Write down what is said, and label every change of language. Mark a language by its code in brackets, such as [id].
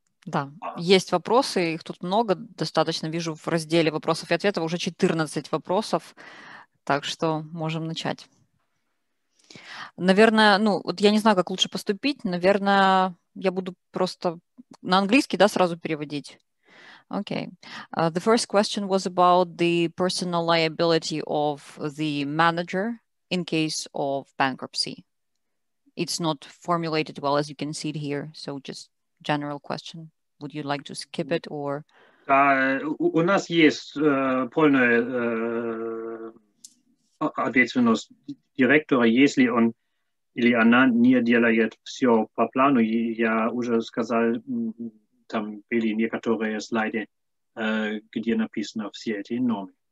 [ru] Да, есть вопросы, их тут много, достаточно вижу в разделе вопросов и ответов, уже 14 вопросов, так что можем начать. Наверное, ну, вот я не знаю, как лучше поступить, наверное, я буду просто на английский, да, сразу переводить. [en] Okay. The first question was about the personal liability of the manager in case of bankruptcy. It's not formulated well, as you can see it here. So just general question. Would you like to skip it or? [ru] Да, у нас есть полная ответственность директора, если он или она не делает все по плану. Я уже сказал, там были некоторые слайды, где написано все эти нормы.